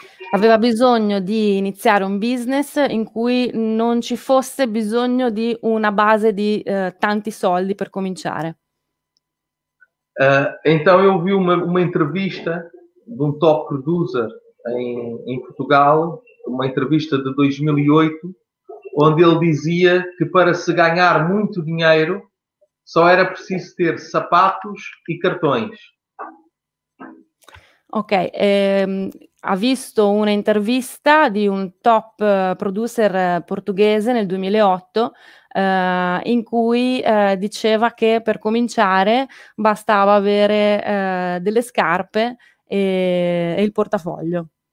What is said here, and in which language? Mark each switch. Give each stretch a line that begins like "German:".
Italian: Aveva bisogno di iniziare un business in cui non ci fosse bisogno di una base di tanti soldi per cominciare.
Portuguese: Então, eu vi uma entrevista de um top producer em Portugal, uma entrevista de 2008, onde ele dizia que para se ganhar muito dinheiro só era preciso ter sapatos e cartões.
Italian: Ok, ha visto un'intervista di un top producer portoghese nel 2008 in cui diceva che per cominciare bastava avere delle scarpe e il portafoglio.